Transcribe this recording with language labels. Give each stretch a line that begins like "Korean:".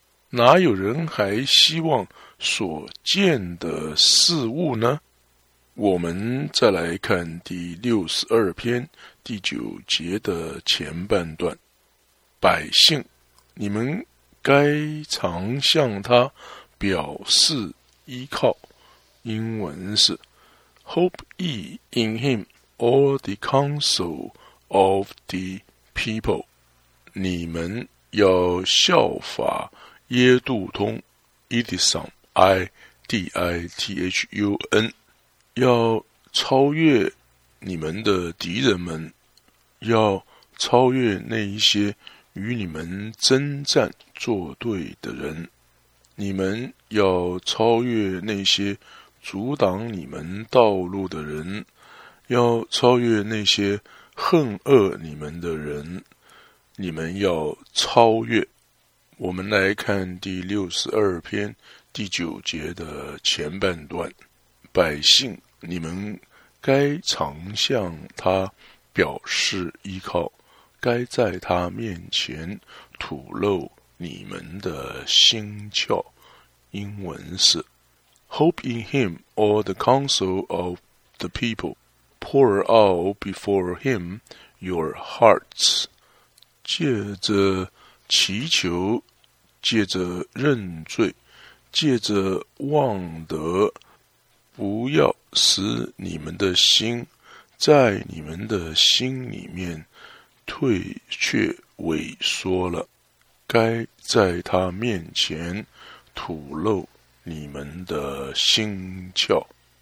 Chinese: 哪有人还希望所见的事物呢？我们再来看第62篇第9节的前半段，百姓，你们该常向他表示依靠。英文是
English: Hope ye in him all the counsel of the people。
Chinese: 你们要效法耶杜通 Edison Edithun， 要超越你们的敌人们，要超越那一些与你们征战作对的人，你们要超越那些阻挡你们道路的人，要超越那些恨恶你们的人，你们要超越。我们来看第62篇第9节的前半段，百姓，你们该常向他表示依靠，该在他面前吐露你们的心窍。英文是
English: Hope in him all the counsel of the people. Pour out before him your hearts.
Chinese: 借着祈求，借着认罪，借着望德，不要使你们的心在你们的心里面退却萎缩了，该在他面前吐露你们的心窍。